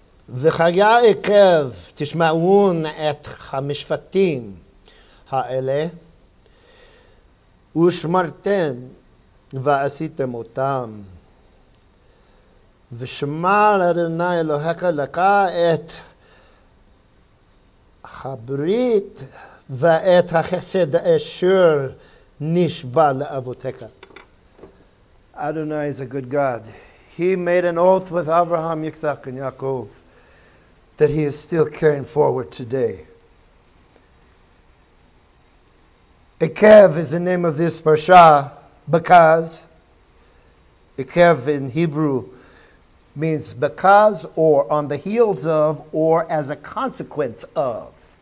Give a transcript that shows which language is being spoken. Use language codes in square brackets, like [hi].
[he] V'chaya ekev tishma'un et ha-mishfatim ha-eleh, ושמרתם ועשיתם אותם. ושמר אדוני אלוהיך לך את הברית ואת החסד אשר נשבע לאבותיך. [en] Adonai is a good God. He made an oath with Abraham, Yitzhak, and Yaakov that he is still carrying forward today. Ekev is the name of this parsha because Ekev in Hebrew means because or on the heels of or as a consequence of.